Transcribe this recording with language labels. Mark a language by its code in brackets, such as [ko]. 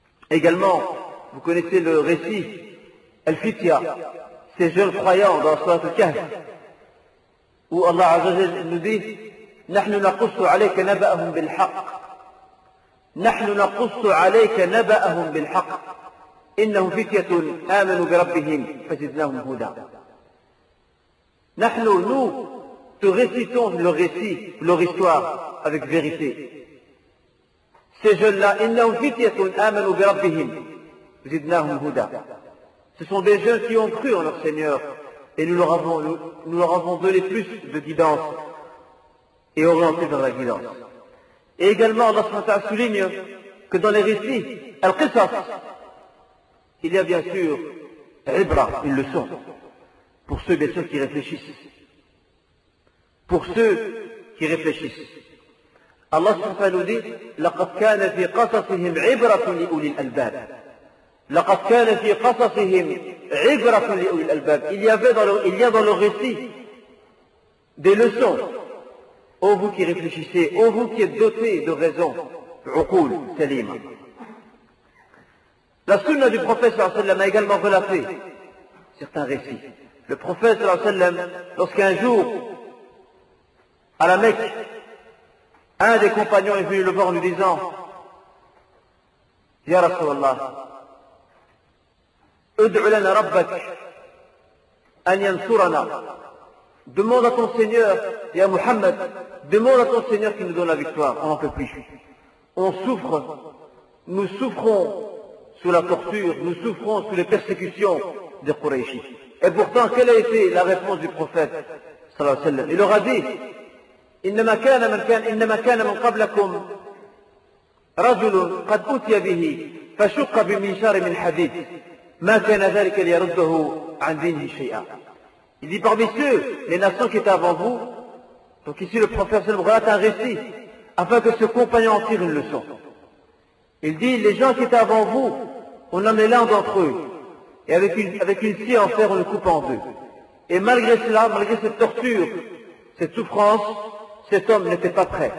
[fr] Également, vous connaissez le récit Al-Fitya, ces jeunes croyants dans la Sourate Kahf, où Allah Azza wa Jalla nous dit [ar] نَحْنُ نَقُصُّ عَلَيْكَ نَبَأَهُمْ بِالْحَقِّ نحن نقص عليك نبأهم بالحق إنهم فتية آمنوا بربهم فزدناهم هدى نحن [fr] nous te récitons leur récit, leur histoire avec vérité. Ces jeunes-là, [ar] إنهم فتية آمنوا بربهم زدناهم هدى. [fr] Ce sont des jeunes qui ont cru en leur Seigneur et nous leur avons donné plus de guidance et orienté vers la guidance. Et également, Allah subhanahu wa ta'ala souligne que dans les récits, al-qisas, il y a bien sûr ibra, une leçon, pour ceux bien sûr qui réfléchissent. Pour ceux qui réfléchissent. [ar] Allah subhanahu wa ta'ala [fr] nous dit [ar] لقد كان في قصصهم عبرة لأولي الألباب. لقد كان في قصصهم عبرة لأولي الألباب. [fr] Il y a dans le récit des leçons. Ô vous qui réfléchissez, ô vous qui êtes dotés de raison, [ar] عقول سليمة. [fr] La sunna du prophète sallallahu alayhi wa sallam a également relaté certains récits. Le prophète sallallahu alayhi wa sallam, lorsqu'un jour, à la Mecque, un des compagnons est venu le voir en lui disant [ar] Ya Rasulallah, ud'u lana rabbak an yansurana. [fr] Demande à ton Seigneur, Ya Muhammad, demande à ton Seigneur qu'il nous donne la victoire. On n'en peut plus. On souffre, nous souffrons sous la torture, nous souffrons sous les persécutions des Quraishi. Et pourtant, quelle a été la réponse du prophète sallallahu alayhi wa sallam? Il leur a dit [ar] إنما كان من قبلكم رجل قد أتي به فشق بمنشار من حديد ما كان ذلك ليرده عن دينه شيئا. [fr] Il dit parmi ceux, les nations qui étaient avant vous, donc ici le prophète relate un récit, afin que ce compagnon en tire une leçon. Il dit, les gens qui étaient avant vous, on en est l'un d'entre eux, et avec une scie en fer, on le coupe en deux. Et malgré cela, malgré cette torture, cette souffrance, cet homme n'était pas prêt.